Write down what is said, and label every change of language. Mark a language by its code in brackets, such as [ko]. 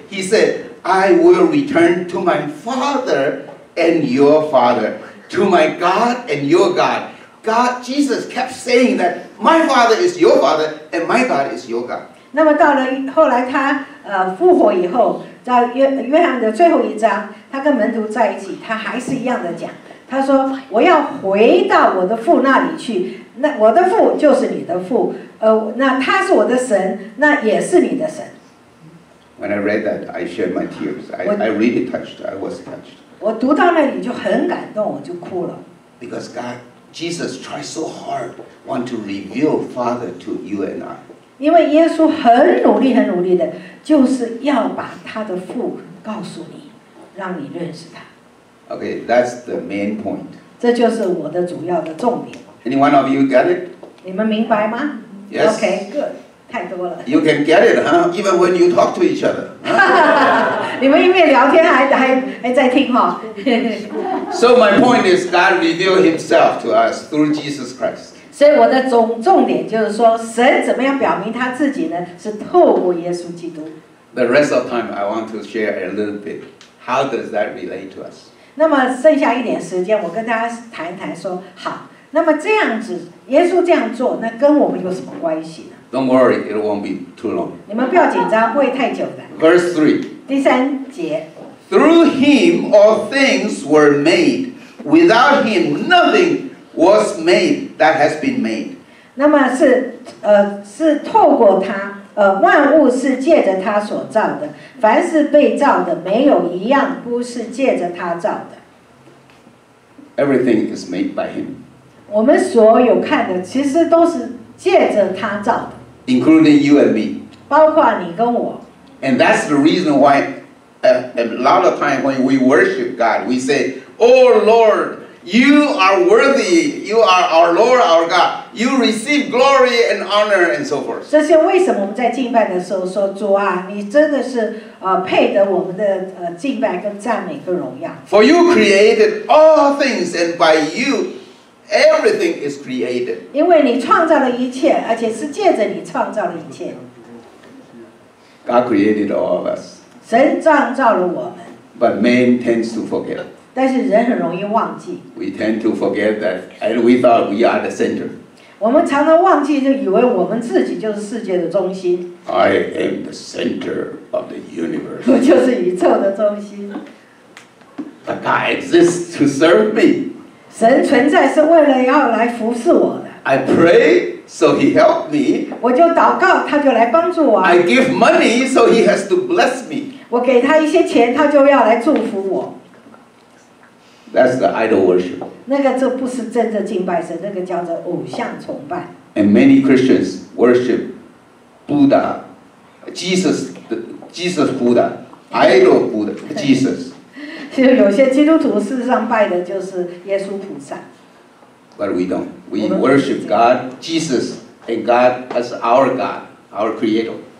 [en] He said, I will return to my Father and your Father, to my God and your God. God, Jesus kept saying that my Father is your Father and my God is your God. [zh] 那么到了后来他复活以后，在约翰的最后一章，他跟门徒在一起，他还是一样的讲。他说我要回到我的父那里去，那我的父就是你的父，那他是我的神，那也是你的神。 [en] When I read that, I shed my tears. I really touched. I was touched. [zh] 我读到那里就很感动，我就哭了。 [en] Because God, Jesus tried so hard want to reveal Father to you and I. [zh] 因为耶稣很努力很努力的，就是要把他的父告诉你，让你认识他。 [en] Okay, that's the main point. [zh] 这就是我的主要的重点。 [en] Any one of you get it? [zh] 你们明白吗？ [en] Yes. Okay, good. [zh] 太多了。 [en] You can get it, huh? Even when you talk to each other. [zh] 你们一面聊天还在听哈。 [en] So my point is, God revealed Himself to us through Jesus Christ. [zh] 所以我的重点就是说，神怎么样表明他自己呢？是透过耶稣基督。 [en] The rest of time, I want to share a little bit. How does that relate to us? [zh] 那么剩下一点时间，我跟大家谈一谈说，好。那么这样子，耶稣这样做，那跟我们有什么关系呢？ [en] Don't worry, it won't be too long. [zh] 你们不要紧张，不会太久的。 [en] Verse 3. [zh] 第三节。 [en] Through him all things were made. Without him nothing was made that has been made. [zh] 那么是是透过他，万物是借着他所造的，凡是被造的，没有一样不是借着他造的。 [en] Everything is made by him. [zh] 我们所有看的其实都是借着他造的， [en] including you and me， [zh] 包括你跟我。 [en] And that's the reason why a lot of time when we worship God we say, Oh Lord, you are worthy, you are our Lord, our God, you receive glory and honor and so forth. [zh] 这是为什么我们在敬拜的时候说，主啊，你真的是配得我们的敬拜跟赞美跟荣耀。 [en] For you created all things and by youEverything is created. [zh] 因为你创造了一切，而且是借着你创造了一切。 [en] God created all of us. [zh] 神创造了我们。 [en] But man tends to forget. [zh] 但是人很容易忘记。 [en] We tend to forget that, and we thought we are the center. [zh] 我们常常忘记，就以为我们自己就是世界的中心。 [en] I am the center of the universe. [zh] 我就是宇宙的中心。 [en] But God exists to serve me. [zh] 神存在是为了要来服侍我的。 [en] I pray, so he helped me. [zh] 我就祷告，他就来帮助我。 [en] I give money, so he has to bless me. [zh] 我给他一些钱，他就要来祝福我。 [en] That's the idol worship. [zh] 那个这不是真正敬拜神，那个叫做偶像崇拜。 [en] And many Christians worship Buddha Jesus 的 Jesus Buddha idol Buddha Jesus。 [zh] 其实有些基督徒事实上拜的就是耶稣菩萨。 [en] But we don't. We worship God, Jesus, and God as our God, our Creator.